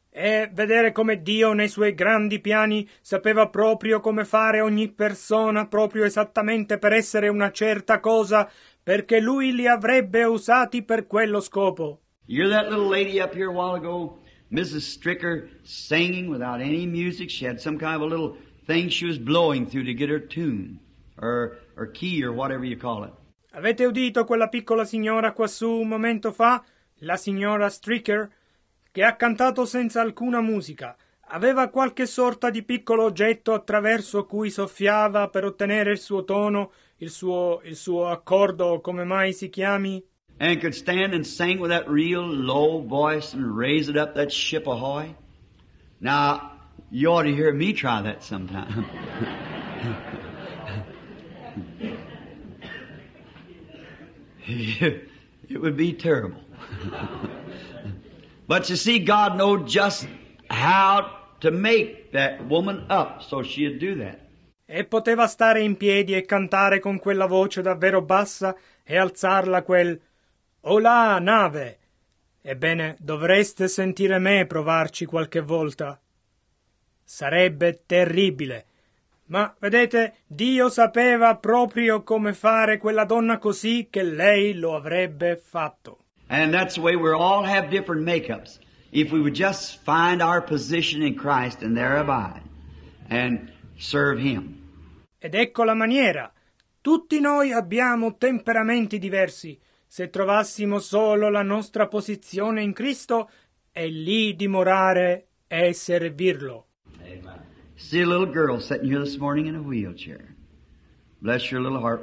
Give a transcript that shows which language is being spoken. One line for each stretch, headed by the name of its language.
Italian: E vedere come Dio nei Suoi grandi piani sapeva proprio come fare ogni persona proprio esattamente per essere una certa cosa, perché Lui li avrebbe usati per quello scopo.
English: You're that little lady up here a while ago, Mrs. Stricker, singing without any music. She had some kind of a little thing she was blowing through to get her tune, or key, or whatever you call it.
Italian: Avete udito quella piccola signora quassù un momento fa, la signora Stricker, che ha cantato senza alcuna musica. Aveva qualche sorta di piccolo oggetto attraverso cui soffiava per ottenere il suo tono, il suo accordo, come mai si chiami.
English: And could stand and sing with that real low voice and raise it up, that ship ahoy. Now, you ought to hear me try that sometime. It would be terrible. But you see, God knows just how to make that woman up so she'd do that.
Italian: E poteva stare in piedi e cantare con quella voce davvero bassa e alzarla quel... Olà, nave! Ebbene, dovreste sentire me provarci qualche volta. Sarebbe terribile. Ma, vedete, Dio sapeva proprio come fare quella donna così che lei lo avrebbe fatto.
English: And that's the way we all have different makeups. If we would just find our position in Christ and there abide and serve Him.
Italian: Ed ecco la maniera. Tutti noi abbiamo temperamenti diversi. Se trovassimo solo la nostra posizione in Cristo, è lì dimorare e servirlo.
English: Amen. See a little girl sitting here this morning in a wheelchair. Bless your little heart.